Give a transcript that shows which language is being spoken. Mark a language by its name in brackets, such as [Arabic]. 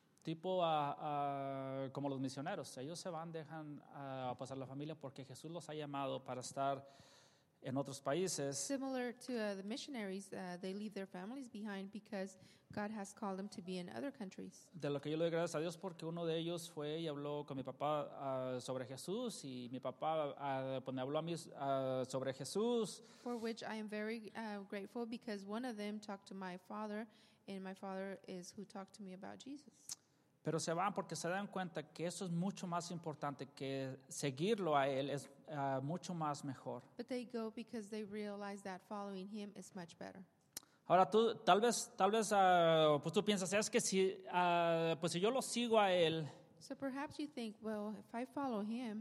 [Spanish] Tipo como los misioneros. Ellos se van, dejan pues a la familia porque Jesús los ha llamado para estar en otros países. [English] Similar to the missionaries, they leave their families behind because God has called them to be in other countries. [Spanish] De lo que yo le doy gracias a Dios porque uno de ellos fue y habló con mi papá sobre Jesús y mi papá pues me habló a mí sobre Jesús. [English] For which I am very grateful because one of them talked to my father and my father is who talked to me about Jesus. [Spanish] Pero se van porque se dan cuenta que eso es mucho más importante que seguirlo a él es mucho más mejor. [English] But they go because they realize that following him is much better. [Spanish] Ahora tú tal vez pues tú piensas es que si pues si yo lo sigo a él. [English] So perhaps you think, well, if I follow him,